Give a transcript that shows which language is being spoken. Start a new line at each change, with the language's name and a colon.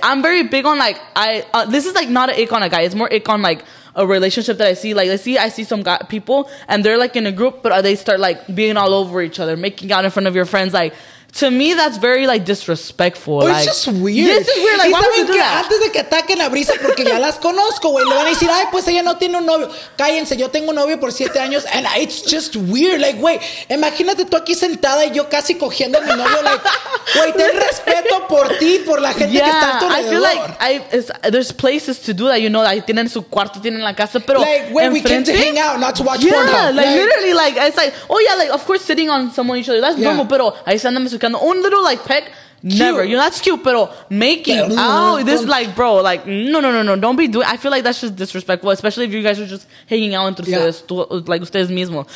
English: I'm very big on, like, this is like not an ick on a guy, it's more ick on, like, a relationship that I see, like, I see some guy, people, and they're, like, in a group, but they start, like, being all over each other, making out in front of your friends, like, to me, that's very, like, disrespectful, it's like, just weird. This is weird, like, why would you do that?
Spanish: Antes de que ataquen a Brisa, porque ya las conozco, güey, le van a decir, ay, pues ella no tiene un novio, cállense, yo tengo novio por 7 años,
English: and it's just weird,
Spanish: like, güey, imagínate tú aquí sentada y yo casi cogiendo a mi novio, like, güey, ten respeto por ti, por la gente que está a tu alrededor.
English: I feel like, there's places to do that, you know, like,
Spanish: tienen su cuarto, tienen la casa,
English: pero like, wait, we came to hang out, not to watch porn. Yeah, like, literally, like, it's like, oh, yeah, like, of course, sitting on someone each other, that's normal,
Spanish: pero ahí se andan mezclando.
English: Un little, like, peck, never. You know, that's cute, pero making out, this, like, bro, like, no, don't be doing, I feel like that's just disrespectful, especially if you guys are just hanging out
Spanish: entre ustedes,
English: like,
Spanish: ustedes mismos.